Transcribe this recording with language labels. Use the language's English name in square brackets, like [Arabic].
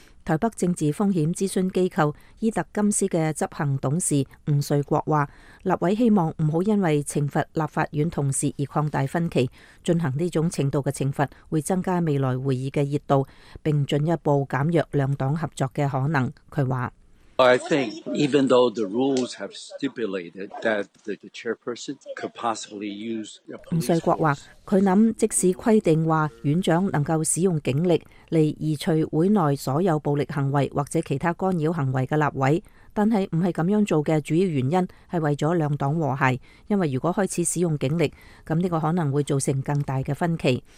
[Chinese] 台北政治风险咨询机构伊特金斯的执行董事吴瑞国说，立委希望不要因为惩罚立法院同事而扩大分歧，进行这种程度的惩罚会增加未来会议的热度，并进一步减弱两党合作的可能。他说， [English] I think even though the rules have stipulated that the chairperson could possibly use a police force. [Chinese] 吴瑞国说，他想即使规定说院长能够使用警力来移除会内所有暴力行为或者其他干扰行为的立委，但是不是这样做的主要原因是为了两党和谐，因为如果开始使用警力，那这个可能会造成更大的分歧。